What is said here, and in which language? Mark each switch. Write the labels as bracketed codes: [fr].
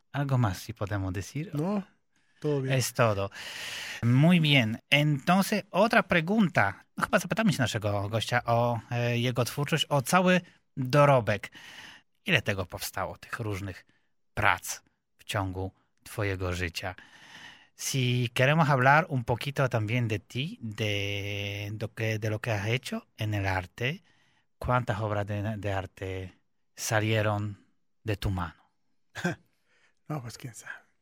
[es] Algo más y podemos decir. No, todo bien. Es todo. Muy bien. Entonces, otra pregunta. [pl] No, chyba zapytamy się naszego gościa o jego twórczość, o cały dorobek. Ile tego powstało, tych różnych prac w ciągu twojego życia? [es] Si queremos hablar un poquito también de ti, de lo que has hecho en el arte, ¿cuántas obras de arte salieron de tu mano? No, pues quién sabe.